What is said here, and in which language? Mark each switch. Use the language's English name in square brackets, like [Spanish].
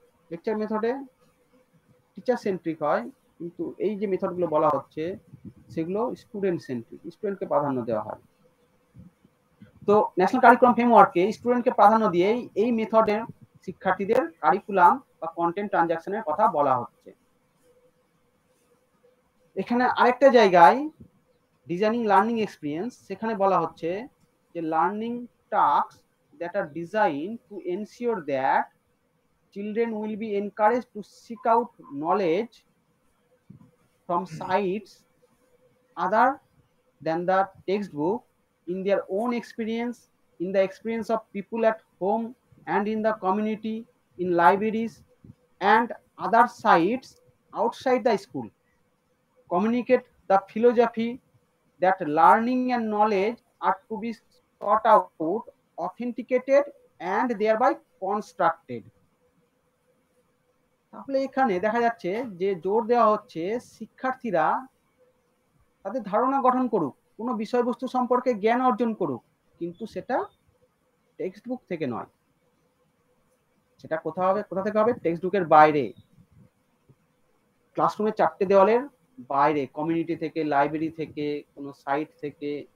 [Bangla] Lecture মেথডে teacher centric হয়, কিন্তু এই যে মেথডগুলো বলা হচ্ছে সেগুলো স্টুডেন্ট সেন্ট্রিক, স্টুডেন্টকে প্রাধান্য দেওয়া হয়। তো ন্যাশনাল কারিকুলাম ফ্রেমওয়ার্কে স্টুডেন্টকে প্রাধান্য দিয়েই এই মেথডে শিক্ষার্থীদের কারিকুলাম বা কন্টেন্ট ট্রানজাকশনের কথা বলা হচ্ছে। এখানে আরেকটা জায়গায় ডিজাইনিং লার্নিং এক্সপিরিয়েন্স, সেখানে বলা হচ্ছে যে [English] Learning task that are designed to ensure that children will be encouraged to seek out knowledge from sites other than the textbook in their own experience, in the experience of people at home and in the community, in libraries and other sites outside the school, communicate the philosophy that learning and knowledge are to be sought out, authenticated and thereby constructed. [Bangla] তাহলে এখানে দেখা যাচ্ছে যে জোর দেওয়া হচ্ছে শিক্ষার্থীরা তাদের ধারণা গঠন করুক, কোনো বিষয়বস্তু সম্পর্কে জ্ঞান অর্জন করুক, কিন্তু সেটা টেক্সটবুক থেকে নয়, সেটা কোথাও হবে, কোথা থেকে হবে, টেক্সটবুকের বাইরে, ক্লাসরুমের চারটে দেওয়ালের বাইরে, কমিউনিটি থেকে, লাইব্রেরি থেকে, কোনো সাইট থেকে।